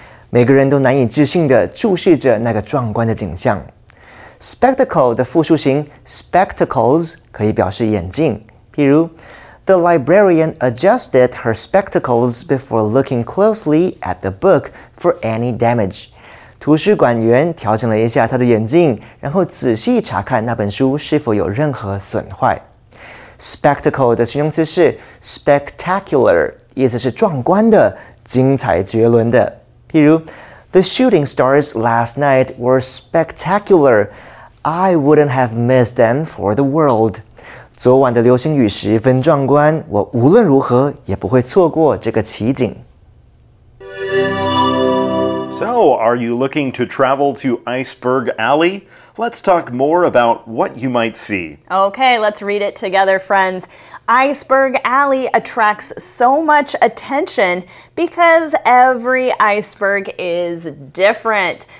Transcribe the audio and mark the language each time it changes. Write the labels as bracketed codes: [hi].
[zh] 每个人都难以置信地注视着那个壮观的景象。 Spectacle 的复数形 spectacles 可以表示眼镜。譬如 [en] ，The librarian adjusted her spectacles before looking closely at the book for any damage。 [zh] 图书馆员调整了一下他的眼镜，然后仔细查看那本书是否有任何损坏。 Spectacle 的形容词是 spectacular， 意思是壮观的、精彩绝伦的。譬如 [en] ，The shooting stars last night were spectacular. I wouldn't have missed them for the world. [zh] 昨晚的流星雨十分壮观，我无论如何也不会错过这个奇景。 [en] So, are you looking to travel to Iceberg Alley? Let's talk more about what you might see. Okay, let's read it together, friends. Iceberg Alley attracts so much attention because every iceberg is different.